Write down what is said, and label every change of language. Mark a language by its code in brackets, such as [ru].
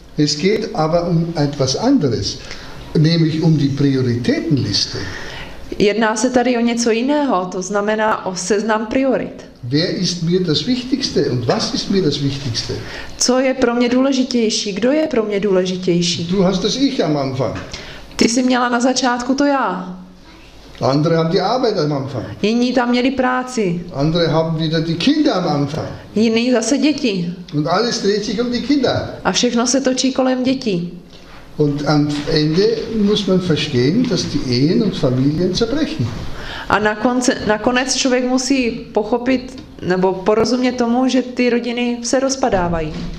[de] Es geht aber um etwas anderes, nämlich um die Prioritätenliste. [cs] Jedná se tady o něco jiného, to znamená o seznam priorit. [de] Wer ist mir das Wichtigste und was ist mir das Wichtigste? [cs] Co je pro mě důležitější? Kdo je pro mě důležitější? [de] Du hast das Ich am Anfang. [cs] Ty jsi měla na začátku to já. [de] Andere haben die Arbeit am Anfang. [cs] Jiní tam měli práci. [de] Andere haben wieder die Kinder am Anfang. [cs] Jiní zase děti. [de] Und alles dreht sich um die Kinder. [cs] A všechno se točí kolem dětí. [de] Und am Ende muss man verstehen, dass die Ehen und Familien zerbrechen. [cs] A nakonec člověk musí pochopit nebo porozumět tomu, že ty rodiny se rozpadávají.